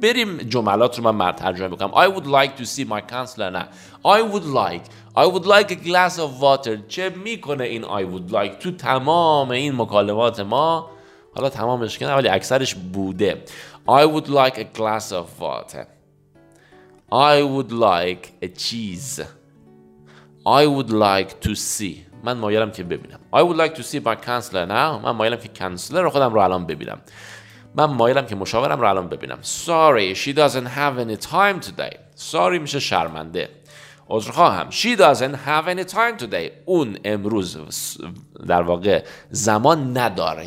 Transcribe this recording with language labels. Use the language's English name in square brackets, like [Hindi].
[Persian] بریم جملات رو من ترجمه بکنم. [English] I would like to see my counselor. [Persian] نه. [English] I would like a glass of water. [Persian] چه میکنه این [English] I would like [Persian] تو تمام این مکالمات ما؟ حالا تمامش کنه ولی اکثرش بوده. [English] I would like a glass of water. I would like a cheese. I would like to see. [Persian] من مایلم که ببینم. [English] I would like to see my counselor now. [Persian] من مایلم که کانسلر خودم رو الان ببینم. من مایلم که مشاورم رو الان ببینم. [English] Sorry, she doesn't have any time today. Sorry [Persian] میشه شرمنده. عذرخواهم. [English] She doesn't have any time today. [Persian] اون امروز در واقع زمان نداره.